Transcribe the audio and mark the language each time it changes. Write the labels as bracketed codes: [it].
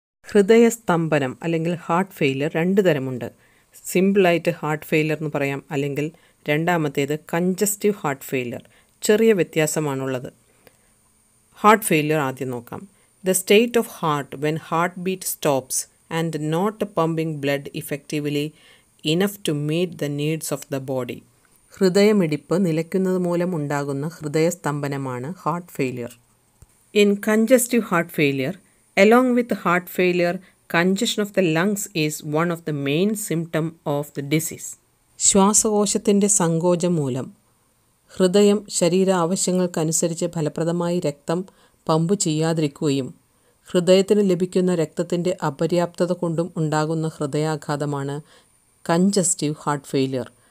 [ml] ഹൃദയസ്തംഭനം അല്ലെങ്കിൽ heart failure രണ്ട് തരമുണ്ട്. സിമ്പിളായിട്ട് ഹാർട്ട് ഫെയിലിയർ എന്ന് പറയാം, അല്ലെങ്കിൽ രണ്ടാമത്തേത് കഞ്ചസ്റ്റീവ് ഹാർട്ട് ഫെയിലിയർ. ചെറിയ വ്യത്യാസമാണുള്ളത്. ഹാർട്ട് ഫെയിലിയർ ആദ്യം നോക്കാം. [en] The state of heart when heart beat stops and not pumping blood effectively enough to meet the needs of the body. [ml] ഹൃദയമിടിപ്പ് നിലയ്ക്കുന്നതു മൂലം ഉണ്ടാകുന്ന ഹൃദയസ്തംഭനമാണ് heart failure. [en] In congestive heart failure, along with heart failure, congestion of the lungs is one of the main symptom of the disease. [ml] ശ്വാസകോശത്തിൻ്റെ സങ്കോചം മൂലം ഹൃദയം ശരീര ആവശ്യങ്ങൾക്കനുസരിച്ച് ഫലപ്രദമായി രക്തം പമ്പ് ചെയ്യാതിരിക്കുകയും ഹൃദയത്തിന് ലഭിക്കുന്ന രക്തത്തിൻ്റെ അപര്യാപ്തത കൊണ്ടും ഉണ്ടാകുന്ന ഹൃദയാഘാതമാണ് കഞ്ചസ്റ്റീവ് ഹാർട്ട് ഫെയിലിയർ.